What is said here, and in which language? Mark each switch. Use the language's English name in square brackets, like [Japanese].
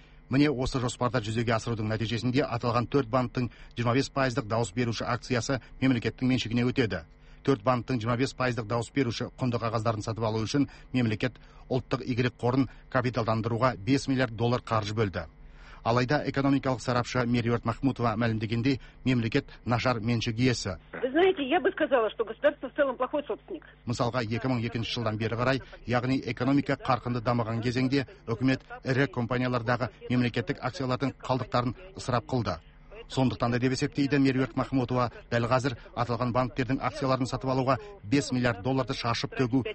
[Kazakh] Міне осы жоспарды жүзеге асырудың нәтижесінде аталған 4 банктің 25%-дық дауыс беруші акциясы мемлекеттің меншігіне өтеді. 4 банктің 25%-дық дауыс беруші құнды қағаздарын сатып алу үшін мемлекет ұлттық игілік қорын капиталдандыруға 5 миллиард доллар қаржы бөлді. Алайда экономикалық сарапшы Меруерт Махмутова мәлімдегенде, мемлекет нашар меншік иесі. [Russian] Я бы сказала, что государство в целом плохой собственник. [Kazakh] Мысалға 2002 жылдан бері қарай, яғни экономика қарқынды дамыған кезеңде, үкімет ірі компаниялардағы мемлекеттік акциялардың қалдықтарын ысырап қылды. Сондықтан да деп есептейді Меруерт Махмутова, дәл қазір аталған банктердің акцияларын сатып алуға 5 миллиард долларды шашып төгу